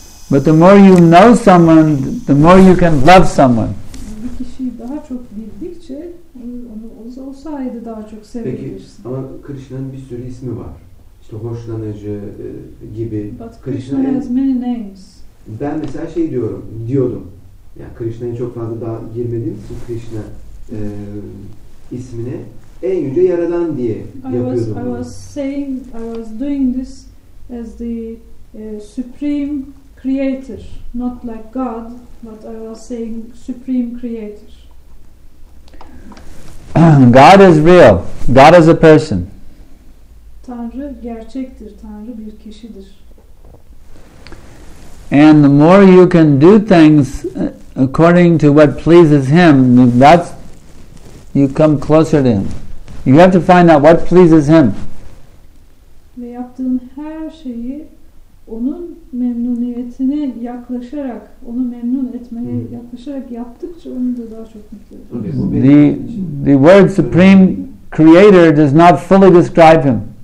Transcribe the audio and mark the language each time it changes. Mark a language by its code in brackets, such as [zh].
[en] But the more you know someone, the more you can love someone. [tr] Bir kişiyi daha çok bildikçe onu o sayede daha çok sevebilirsin. Peki, ama Krishna'nın bir sürü ismi var. İşte hoşlanıcı gibi. [en] But Krishna has many names. [tr] Ben mesela şey diyordum. Yani Krishna'ya çok fazla daha girmedim. Krishna ismine. en yüce yaradan diye yapıyordum. [en] I was doing this as the supreme creator, not like God, but I was saying supreme creator. God is real. God is a person. [tr] Tanrı gerçektir. Tanrı bir kişidir. [en] And the more you can do things according to what pleases him, that's you come closer to him. You have to find out what pleases him. [tr] Ve yaptığın her şeyi onun memnuniyetine yaklaşarak, onu memnun etmeye yaklaşarak yaptıkça onu da daha çok mutlu olur. [en] The word supreme creator does not fully describe him.